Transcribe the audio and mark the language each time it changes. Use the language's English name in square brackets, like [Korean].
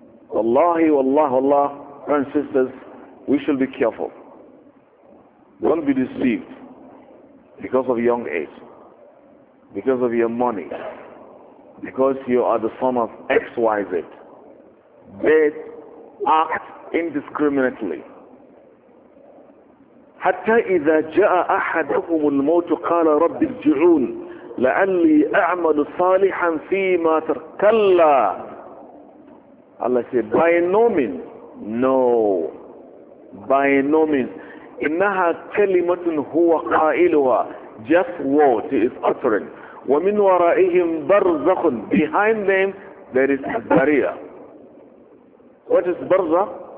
[English] Wallahi, wallahi, wallahi, brothers and sisters, we should be careful. Don't be deceived because of young age, because of your money, because you are the son of XYZ. They act indiscriminately. [Arabic] حتى إذا جاء أحدهم الموت قال رب ارجعون لعلي أعمل صالحا فيما ترك الله. [English] Allah said, by no means, no, by no means. [Arabic] إنها كلمة هو قائلها, [English] just what he is uttering. [Arabic] ومن ورائهم برزخ, [English] behind them there is a barrier. What is barzakh?